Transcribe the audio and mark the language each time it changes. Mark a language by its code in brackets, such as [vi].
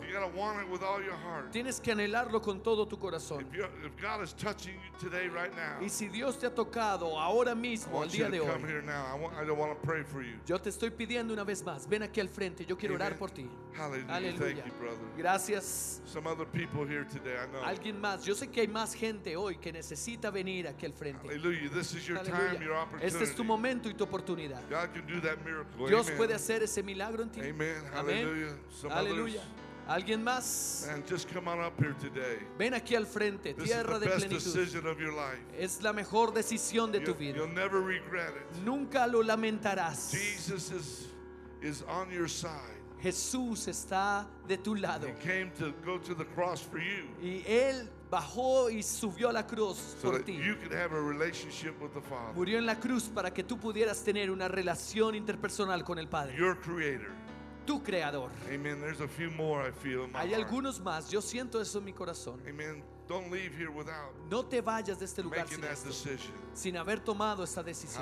[en] You gotta want it with all your heart. [es] Tienes que anhelarlo con todo tu corazón. [en] If God is touching you today, right now, [es] y si Dios te ha tocado ahora mismo, el día de hoy, [en] come here now. I want to pray for you. [es] Yo te estoy pidiendo una vez más, ven aquí al frente, yo quiero amen. Orar por ti. [en] Hallelujah. Thank you, brother. [es] Gracias. [en] Some other people here today, I know. [es] Alguien más. Yo sé que hay más gente hoy que necesita venir aquí al frente. [en] Hallelujah. This is your hallelujah. Time, your opportunity. [es] Este es tu momento y tu oportunidad. [en] God can do that miracle. [es] Dios amen. Puede hacer ese milagro en ti. Amen. Hallelujah. Hallelujah. Alguien más. [en] Man, just come on up here today. [es] Ven aquí al frente, [en] this [es] tierra de plenitud. [en] This is the best decision of your life. [es] Es la mejor decisión de [en] you'll, [es] tu vida. [en] You'll never regret it. [es] Nunca lo lamentarás. [en] Jesus is on your side. [es] Jesús está de tu lado. [en] He came to go to the cross for you. [es] Y él bajó y subió a la cruz [en] so [es] por ti. [en] You could have a relationship with the Father. [es] Murió en la cruz para que tú pudieras tener una relación interpersonal con el Padre. [en] Your creator. [es] Tu creador. [en] Amen. There's a few more I feel in my [es] hay [en] heart. [es] Algunos más. Yo siento eso en mi corazón. [en] Amen. Don't leave here without. [es] No te vayas de este lugar sin haber tomado esta decisión.